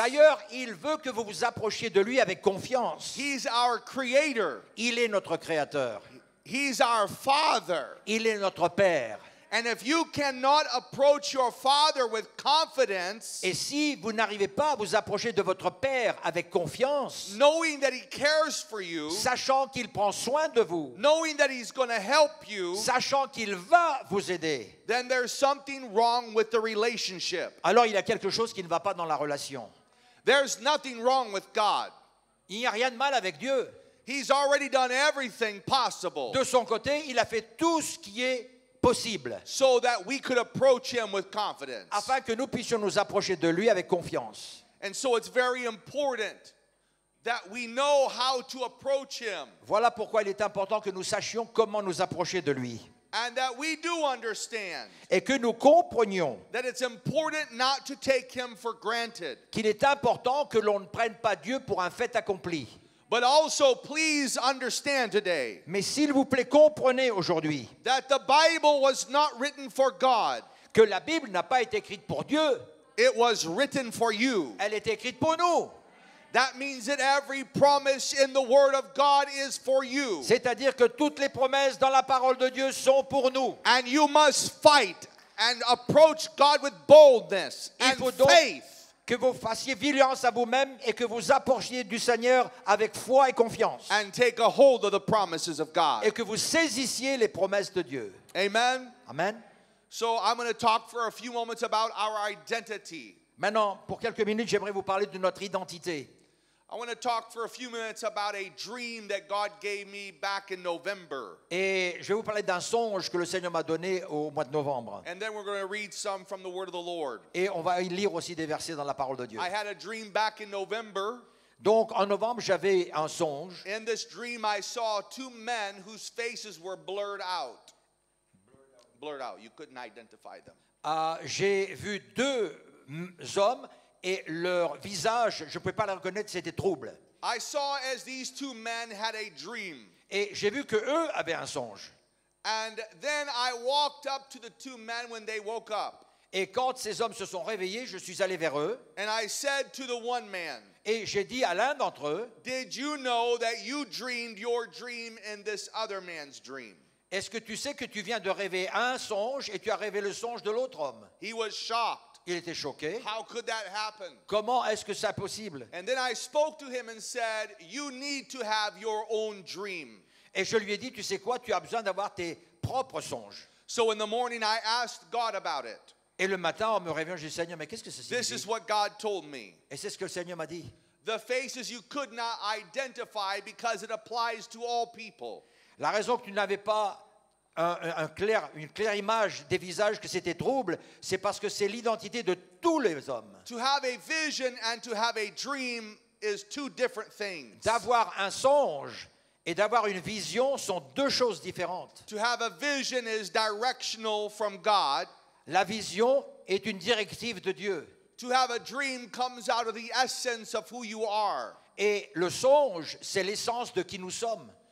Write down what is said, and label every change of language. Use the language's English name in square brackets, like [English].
[French] D'ailleurs, il veut que vous vous approchiez de lui avec confiance. [English] He's our creator. [French] Il est notre créateur. [English] He's our father. [French] Il est notre père. [English] And if you cannot approach your father with confidence, [French] et si vous n'arrivez pas à vous approcher de votre père avec confiance, [English] knowing that he cares for you, [French] sachant qu'il prend soin de vous, [English] knowing that he's going to help you, [French] sachant qu'il va vous aider, [English] then there's something wrong with the relationship. [French] Alors il y a quelque chose qui ne va pas dans la relation. [English] There's nothing wrong with God. [French] Il n'y a rien de mal avec Dieu. [English] He's already done everything possible. [French] De son côté, il a fait tout ce qui est possible. [English] So that we could approach him with confidence. [French] Afin que nous puissions nous approcher de lui avec confiance. [English] And so it's very important that we know how to approach him. [French] Voilà pourquoi il est important que nous sachions comment nous approcher de lui. [English] And that we do understand. [French] Et que nous comprenions. [English] That it's important not to take him for granted. [French] Qu'il est important que l'on ne prenne pas Dieu pour un fait accompli. [English] But also, please understand today. [French] Mais s'il vous plaît, comprenez aujourd'hui. [English] That the Bible was not written for God. [French] Que la Bible n'a pas été écrite pour Dieu. [English] It was written for you. [French] Elle est écrite pour nous. [English] That means that every promise in the Word of God is for you. [French] C'est-à-dire que toutes les promesses dans la parole de Dieu sont pour nous. [English] And you must fight and approach God with boldness and faith. [French] que vous fassiez vigilance à vous-même et que vous approchiez du Seigneur avec foi et confiance. [English] And take a hold of the promises of God. [French] Et que vous saisissiez les promesses de Dieu. [English] Amen. [French] Amen. [English] So I'm going to talk for a few moments about our identity. [French] Maintenant, pour quelques minutes, j'aimerais vous parler de notre identité. [English] I want to talk for a few minutes about a dream that God gave me back in November. [French] Et je vais vous parler d'un songe que le Seigneur m'a donné au mois de novembre. [English] And then we're going to read some from the word of the Lord. [French] Et on va y lire aussi des versets dans la parole de Dieu. [English] I had a dream back in November. [French] Donc en novembre, j'avais un songe. [English] In this dream I saw two men whose faces were blurred out. Blurred out. You couldn't identify them. [French] J'ai vu deux hommes et leur visage, je ne pouvais pas les reconnaître, c'était trouble. [English] I saw as these two men had a dream. [French] Et j'ai vu qu'eux avaient un songe. [English] And then I walked up to the two men when they woke up. [French] Et quand ces hommes se sont réveillés, je suis allé vers eux. [English] And I said to the one man, [French] et j'ai dit à l'un d'entre eux, [English] did you know that you dreamed your dream in this other man's dream? [French] Est-ce que tu sais que tu viens de rêver un songe et tu as rêvé le songe de l'autre homme? [English] He was shocked. [French] Il était choqué. [English] How could that happen? [French] Comment est-ce que c'est possible? [English] And then I spoke to him and said, you need to have your own dream. [French] Et je lui ai dit, tu sais quoi, tu as besoin d'avoir tes propres songes. [English] So in the morning I asked God about it. [French] Et le matin en me réveillant, j'ai dit, Seigneur, mais qu'est-ce que c'est? [English] This is what God told me. [French] Et c'est ce que le Seigneur m'a dit. [English] The faces you could not identify because it applies to all people. [French] La raison que tu n'avais pas une claire image des visages que c'était trouble, c'est parce que c'est l'identité de tous les hommes. [English] To have a vision and to have a dream is two different things. [French] D'avoir un songe et d'avoir une vision sont deux choses différentes. [English] To have a vision is directional from God. [French] La vision est une directive de Dieu. [English] To have a dream comes out of the essence of who you are. [French] Et le songe, c'est l'essence de qui nous sommes.